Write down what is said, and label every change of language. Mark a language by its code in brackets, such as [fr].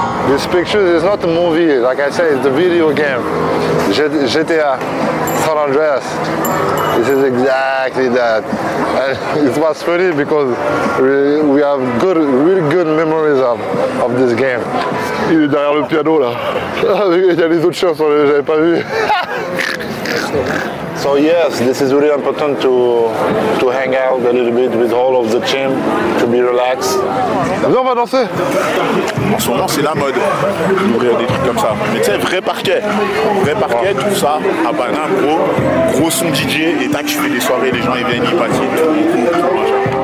[en] This picture is not a movie, like I said, it's a video game. GTA, San Andreas. This is exactly that. And it was funny because we have good, really good memories of this game. [fr] Il est derrière le piano là. Il y a les autres choses, j'avais pas vu. [en] So yes, this is really important to hang out a little bit with all of the team, to be relaxed. [fr] Viens, on va danser. En ce moment, c'est la mode d'ouvrir des trucs comme ça. Mais tu sais, vrai parquet, tout ça, à Banane, gros son DJ, et tac, tu fais des soirées, les gens, ils viennent, ils passent.